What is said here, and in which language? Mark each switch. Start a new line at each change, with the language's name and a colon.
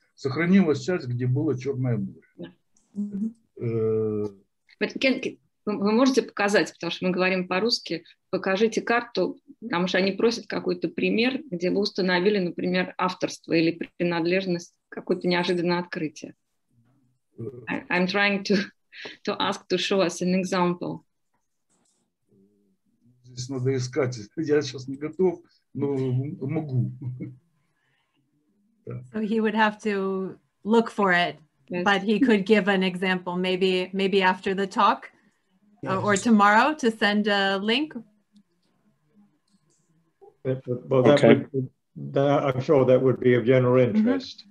Russian: Сохранилась часть, где было Черное море. Вы можете показать, потому что мы говорим по-русски, покажите карту, потому что они просят какой-то пример, где вы установили, например, авторство или принадлежность, какое-то неожиданное открытие.
English: I'm trying to ask to show us an example.
Russian: Здесь надо искать. Я сейчас не готов, но могу.
English: So he would have to look for it, yes. But he could give an example, maybe after the talk. Yes. Or tomorrow to send a link? Well, that okay. I'm sure that would be of general interest.